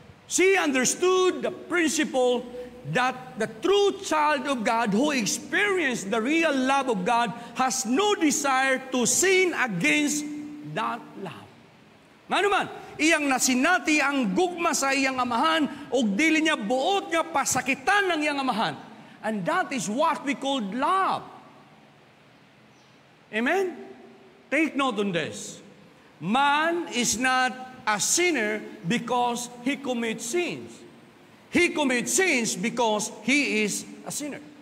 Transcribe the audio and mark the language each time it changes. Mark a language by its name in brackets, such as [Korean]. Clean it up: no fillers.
[English] She understood the principle that the true child of God who experienced the real love of God has no desire to sin against that love. [Cebuano] Ngano man, iyang nasinati ang gugma sa iyang amahan ug dili niya buot nga pasakitan ng iyang amahan. [English] And that is what we called love. Amen? Take note on this. Man is not a sinner because he commits sins. He commits sins because he is a sinner.